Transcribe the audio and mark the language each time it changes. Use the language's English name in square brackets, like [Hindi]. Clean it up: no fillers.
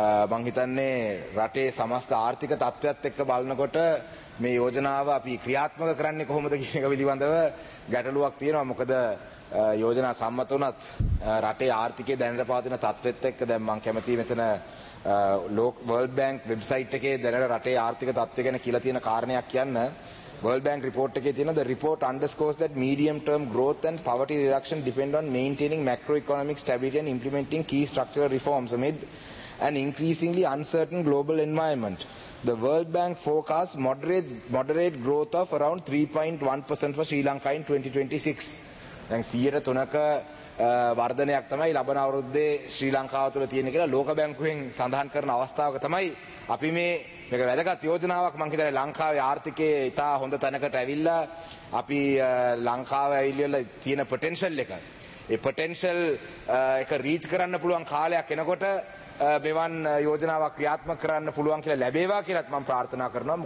[Sinhala] මං හිතන්නේ රටේ සමස්ත ආර්ථික තත්ත්වයත් එක්ක බලනකොට මේ යෝජනාව අපි ක්‍රියාත්මක කරන්නේ කොහොමද කියන එක පිළිබඳව ගැටලුවක් තියෙනවා. මොකද යෝජනා සම්මත වුණත් රටේ ආර්ථිකයේ දැනට පවතින තත්ත්වෙත් එක්ක දැන් මං කැමතියි මෙතන ලෝක වර්ල්ඩ් බැංක් වෙබ්සයිට් එකේ දැනට රටේ ආර්ථික තත්ත්වය ගැන කියලා තියෙන කාරණයක් කියන්න. [English] World Bank report [Sinhala] එකේ තියෙන [English] the report underscores that medium term growth and poverty reduction depend on maintaining macroeconomic stability and implementing key structural reforms amid an increasingly uncertain global environment. The World Bank forecasts moderate growth of around 3.1% for Sri Lanka in 2026. [Sinhala] දැන් 100%ක වර්ධනයක් තමයි ලබන අවුරුද්දේ ශ්‍රී ලංකාව තුළ තියෙන කියලා ලෝක බැංකුවෙන් සඳහන් කරන අවස්ථාවක තමයි අපි මේ මේක වැදගත් යෝජනාවක්. මං හිතන්නේ ලංකාවේ ආර්ථිකයේ ඉතා හොඳ තැනකට ඇවිල්ලා අපි ලංකාව ඇවිල්ලා තියෙන පොටෙන්ෂල් එක ඒ පොටෙන්ෂල් එක රීච් කරන්න පුළුවන් කාලයක් එනකොට මෙවන් යෝජනාවක් ක්‍රියාත්මක කරන්න පුළුවන් කියලා ලැබේවා කියලත් මම ප්‍රාර්ථනා කරනවා.